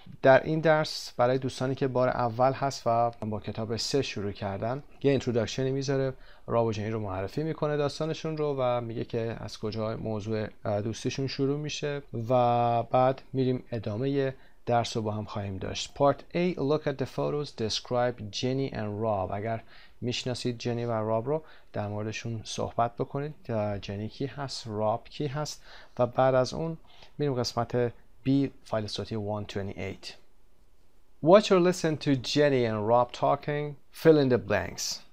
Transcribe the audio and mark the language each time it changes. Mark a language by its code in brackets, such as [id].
[fa] در این درس برای دوستانی که بار اول هست و با کتاب 3 شروع کردن، یه اینترودکشنی میذاره، راب و جنی رو معرفی میکنه داستانشون رو و میگه که از کجا موضوع دوستیشون شروع میشه و بعد میریم ادامه درس رو با هم خواهیم داشت. [en] Part A, look at the photos, describe Jenny and Rob. [fa] اگر میشناسید جنی و راب رو، در موردشون صحبت بکنید. جنی کی هست؟ راب کی هست؟ و بعد از اون میریم قسمت B, فایل صوتی 128. [en] Watch or listen to Jenny and Rob talking, fill in the blanks.